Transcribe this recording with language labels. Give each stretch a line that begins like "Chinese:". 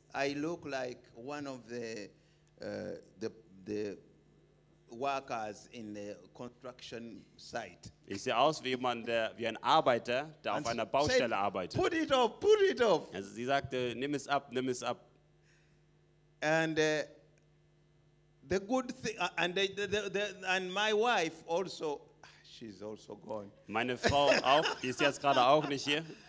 English: I look like one of the workers in the construction site.
German: Ich sehe aus wie jemand, der wie ein Arbeiter, der auf einer Baustelle arbeitet.
English: Put it off, put it off.
German: Also sie sagte, nimm es ab, nimm es ab.
English: And the good thing, and and my wife also, she's also gone.
German: Meine Frau auch, die ist jetzt gerade auch nicht hier.